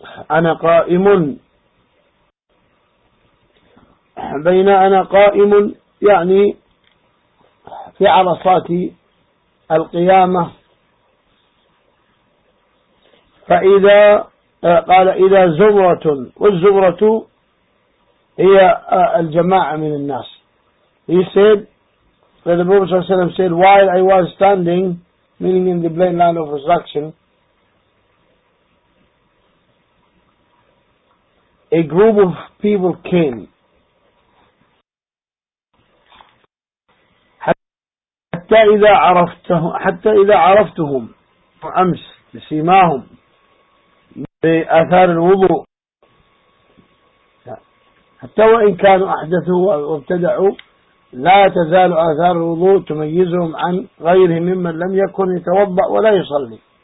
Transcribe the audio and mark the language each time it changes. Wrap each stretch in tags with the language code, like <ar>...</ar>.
<ar>أنا قائم بين أنا قائم يعني في عرصات القيامة، فإذا قال إذا زمرة، والزمرة هي الجماعة من الناس.</ar> <en>He said that the Prophet</en> <ar>صلى الله عليه وسلم</ar> <en>said while I was standing, meaning in the plain land of resurrection, a group of people came.</en> <ar>حتى إذا عرفتهم أمس بسيماهم بأثار الوضوء، حتى وإن كانوا أحدثوا وابتدعوا لا تزال أثار الوضوء تميزهم عن غيرهم ممن لم يكن يتوضأ ولا يصلي.</ar>